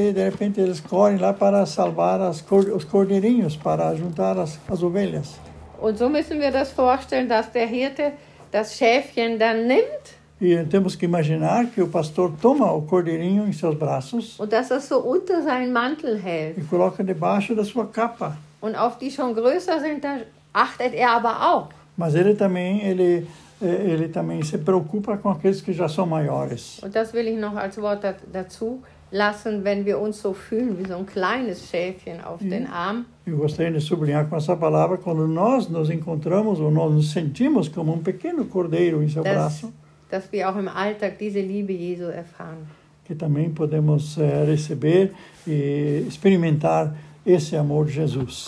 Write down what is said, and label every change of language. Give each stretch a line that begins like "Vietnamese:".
Portuguese: e de repente eles correm lá para salvar os cordeirinhos, para juntar as ovelhas.
German: Und so müssen wir das vorstellen, dass der Hirte das Schäfchen dann nimmt.
Portuguese: E temos que imaginar que o pastor toma o cordeirinho em seus braços.
German: Und dass er so unter seinen Mantel hält.
Portuguese: E coloca debaixo da sua capa.
German: Und auf die schon größer sind, da achtet aber auch.
Portuguese: Mas ele também se preocupa com aqueles que já são maiores.
German: Und das will ich noch als Wort dazu lassen, wenn wir uns so fühlen wie so ein kleines Schäfchen auf den Arm.
Portuguese: Eu gostaria de sublinhar com essa palavra quando nós nos encontramos ou nós nos sentimos como pequeno cordeiro em seu braço.
German: Dass wir auch im Alltag diese Liebe Jesu erfahren.
Portuguese: Que também podemos receber e experimentar esse amor de Jesus.